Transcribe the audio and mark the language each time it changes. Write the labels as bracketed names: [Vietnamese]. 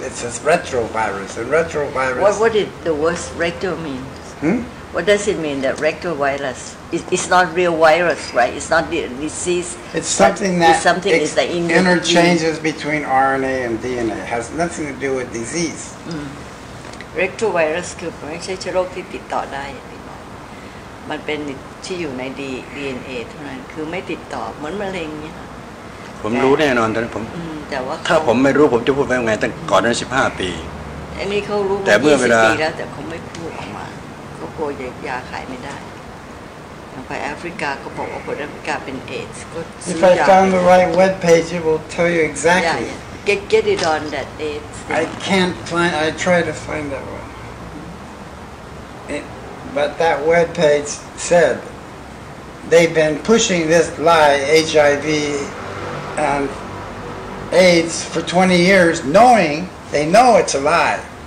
[English] It's a retrovirus. A retrovirus. What did the word retro mean? What does it mean, that retrovirus? It's not real virus, right? It's not the disease. It's something that interchanges between RNA and DNA. It has nothing to do with disease. [Thai] Retrovirus คือไม่ใช่เชื้อโรคที่ติดต่อได้มันเป็นที่อยู่ใน DNA เท่านั้นคือไม่ติดต่อเหมือนมะเร็งเนี่ย ผมรู้แน่นอนตอนนั้นผม แต่ว่า ถ้าผมไม่รู้ผมจะพูดไปยังไงตั้งก่อนนั้น15ปี ไอ้นี่เขารู้มา20ปีแล้วแต่เขาไม่พูดออกมาเขากลัวยาขายไม่ได้ทางไปแอฟริกาก็บอกว่าคนแอฟริกาเป็นเอช [English] ก็ If I found the right web page it will tell you exactly Get it on that AIDS. I can't find, I try to find that one. But that webpage said, they've been pushing this lie, HIV and AIDS, for 20 years, knowing, they know it's a lie.